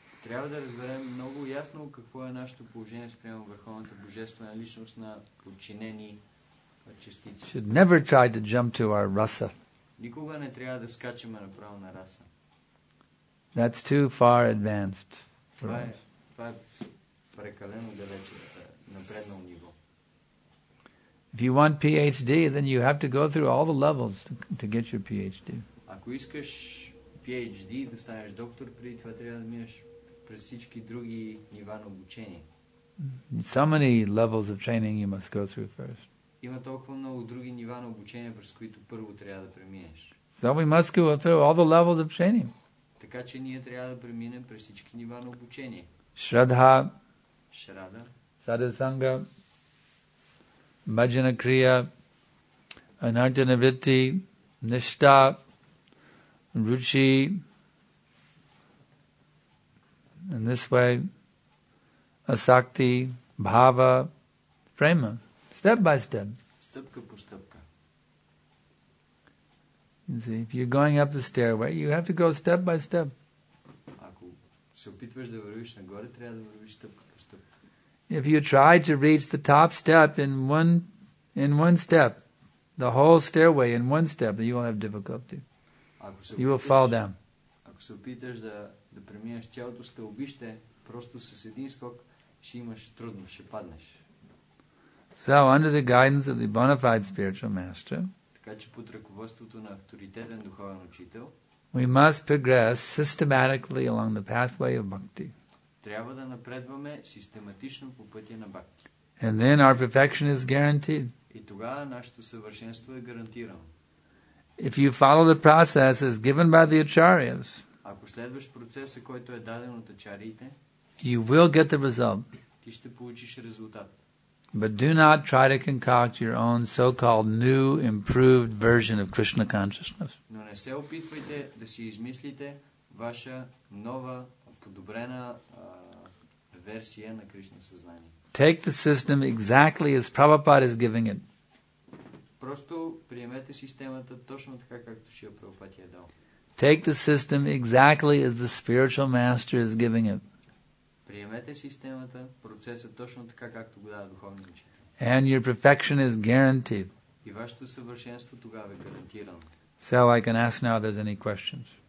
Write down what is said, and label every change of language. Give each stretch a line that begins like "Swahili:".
Bulgarian: Трябва да разберем много ясно какво е нашето положение спрямо Върховната Божествена Личност на подчинени частици.
English: Should never try to jump to our rasa.
Bulgarian: Никога не трябва да скачаме направо на раса.
English: That's too far advanced.
Bulgarian: Това е прекалено далече, напреднал ниво.
English: If you want PhD, then you have to go through all the levels to get your PhD.
Bulgarian: Ако искаш PhD, да станеш доктор, преди това трябва да минеш през всички други нива на обучение.
English: So many levels of training you must go through first.
Bulgarian: има толкова много други нива на обучение, през които първо трябва да преминеш.
English: So we must go through all the levels of training.
Bulgarian: Така че ние трябва да преминем през всички нива на обучение. Шрадха, Шрада, Садасанга, Маджана Крия, Анартана Вритти, Ништа, Ручи.
English: In this way, Asakti, Bhava, Prema, step by step.
Bulgarian: Stupka po stupka.
English: You see, if you're going up the stairway, you have to go step by step.
Bulgarian: Ако се опитваш да вървиш нагоре, трябва да вървиш стъпка по стъпка.
English: If you try to reach the top step in one step, the whole stairway in one step, you will have difficulty. You will fall down.
Bulgarian: Ако се опиташ да преминеш цялото стълбище, просто с един скок ще имаш трудно, ще паднеш.
English: So, under the guidance of the bona fide spiritual master,
Bulgarian: така че под ръководството на авторитетен духовен учител,
English: we must progress systematically along the pathway of bhakti.
Bulgarian: Трябва да напредваме систематично по пътя на бхакти.
English: And then our perfection is guaranteed.
Bulgarian: И тогава нашето съвършенство е гарантирано.
English: If you follow the process as given by the acharyas,
Bulgarian: ако следваш процеса, който е даден от ачарите,
English: you will get the result.
Bulgarian: Ти ще получиш резултат.
English: But do not try to concoct your own so-called new, improved version of Krishna consciousness.
Bulgarian: Но не се опитвайте да си измислите ваша нова, подобрена версия на Кришна съзнание.
English: Take the system exactly as Prabhupada is giving it.
Bulgarian: Просто приемете системата точно така, както Шрила Прабхупада я дал.
English: Take the system exactly as the spiritual master is giving it.
Bulgarian: Приемете системата, процеса точно така, както го дава духовния учител.
English: And your perfection is guaranteed.
Bulgarian: И вашето съвършенство тогава е гарантирано.
English: So I can ask now if there's any questions.